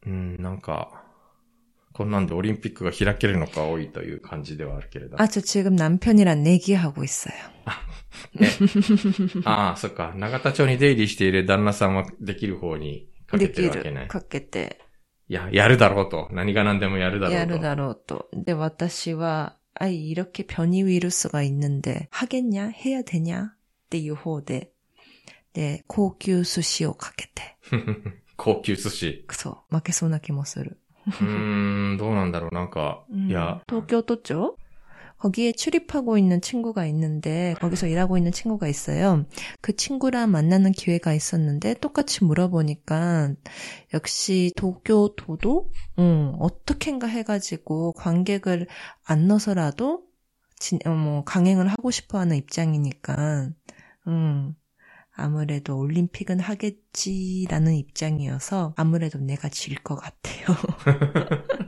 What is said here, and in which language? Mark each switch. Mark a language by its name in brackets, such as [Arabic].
[Japanese] なんかこんなんでオリンピックが開けるのか多いという感じではあるけれど。 [Korean] あ、저지금남편이랑내기하고있어요。 [Japanese] あ、そっか、永田町に出入りしている旦那さんはできる方にかけてるわけね。できる、かけて。いや、やるだろうと、何が何でもやるだろうと。やるだろうと。で、私は。 [Korean] 아이렇게변이 위루스가 있는데 하겠냐? 해야 되냐? [Japanese] っていう方で、で、高級寿司をかけて。高級寿司。くそ、負けそうな気もする。どうなんだろう、なんか、うん、いや。 [Korean] 東京都庁?거기에출입하고있는친구가있는데거기서일하고있는친구가있어요그친구랑만나는기회가있었는데똑같이물어보니까역시도쿄도도응어떻게인가해가지고관객을안넣어서라도진뭐강행을하고싶어하는입장이니까응아무래도올림픽은하겠지라는입장이어서아무래도내가질것같아요